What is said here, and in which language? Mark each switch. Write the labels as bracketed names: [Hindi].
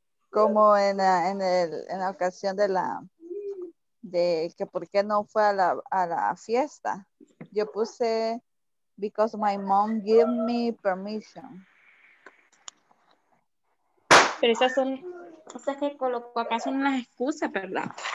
[Spanish] Como en la ocasión de la... de que por qué no fue a la fiesta. Yo puse [English] because my mom gave me permission. [Spanish] Pero esas son cosas que colocó acá, son unas excusas, ¿verdad?